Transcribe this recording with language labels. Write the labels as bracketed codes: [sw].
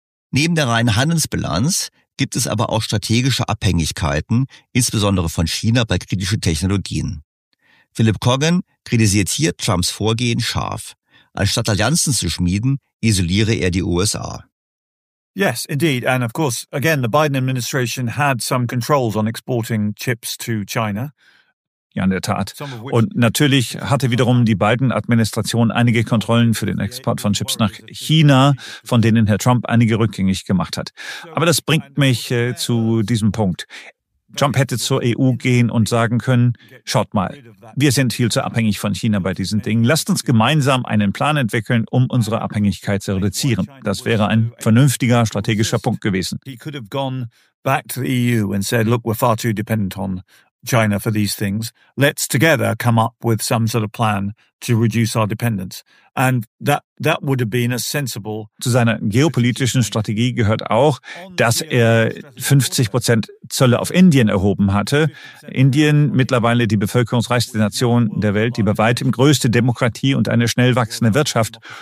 [de] Neben der reinen Handelsbilanz gibt es aber auch strategische Abhängigkeiten, insbesondere von China bei kritischen Technologien. Philip Coggan kritisiert hier Trumps Vorgehen scharf. Anstatt Allianzen zu schmieden, isoliere er die USA. [en] Yes, indeed. And of course, again, the Biden administration had some controls on exporting chips to China. [de] Ja, in der Tat. Und natürlich hatte wiederum die Biden-Administration einige Kontrollen für den Export von Chips nach China, von denen Herr Trump einige rückgängig gemacht hat. Aber das bringt mich zu diesem Punkt. Trump hätte zur EU gehen und sagen können, schaut mal, wir sind viel zu abhängig von China bei diesen Dingen. Lasst uns gemeinsam einen Plan entwickeln, um unsere Abhängigkeit zu reduzieren. Das wäre ein vernünftiger strategischer Punkt gewesen. [en] He could have gone back to the EU and said, look, we're far too dependent on China for these things. Let's together come up with some sort of plan to reduce our dependence. And that would have been a sensible. [de] Zu seiner geopolitischen Strategie gehört auch, dass er 50% Zölle auf Indien erhoben hatte. Indien, mittlerweile die bevölkerungsreichste Nation der Welt, die bei weitem größte Demokratie und eine schnell wachsende Wirtschaft.